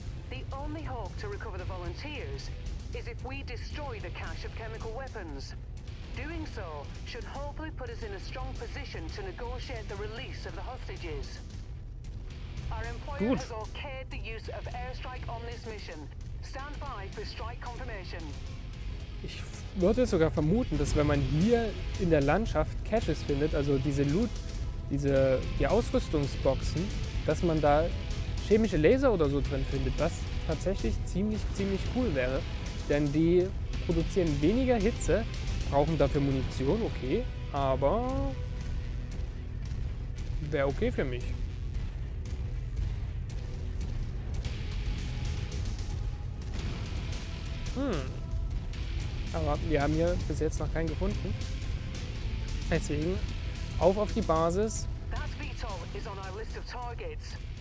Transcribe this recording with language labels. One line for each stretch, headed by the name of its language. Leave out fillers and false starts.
English: The only hope to recover the volunteers is if we destroy the cache of chemical weapons. Doing so should hopefully put us in a strong position to negotiate the release of the hostages. Our employer Gut. Has okayed the use of airstrike on this mission. Stand by for strike confirmation.
German: Ich würde sogar vermuten, dass wenn man hier in der Landschaft Caches findet, also diese Loot, die Ausrüstungsboxen, dass man da chemische Laser oder so drin findet, was tatsächlich ziemlich, ziemlich cool wäre. Denn die produzieren weniger Hitze, brauchen dafür Munition, okay, aber wäre okay für mich. Aber wir haben hier bis jetzt noch keinen gefunden. Deswegen auf die Basis.
English: That Vito is on our list of targets.